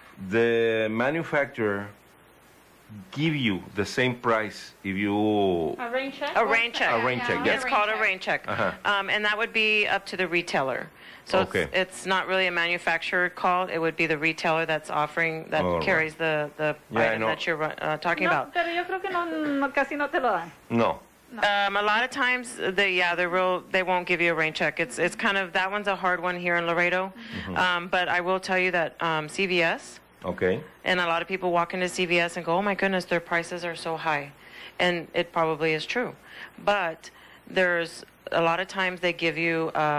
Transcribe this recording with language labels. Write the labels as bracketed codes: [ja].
[en] The manufacturer give you the same price if you... A rain check. It's called a rain check. Uh-huh. And that would be up to the retailer. So it's not really a manufacturer call. It would be the retailer that's offering, that carries the item that you're talking about. [es] No, pero yo creo que casi no te lo dan. No. [en] A lot of times, they won't give you a rain check. It's kind of, that one's a hard one here in Laredo. Mm-hmm. But I will tell you that CVS. Okay. And a lot of people walk into CVS and go, oh my goodness, their prices are so high. And it probably is true. But there's a lot of times they give you...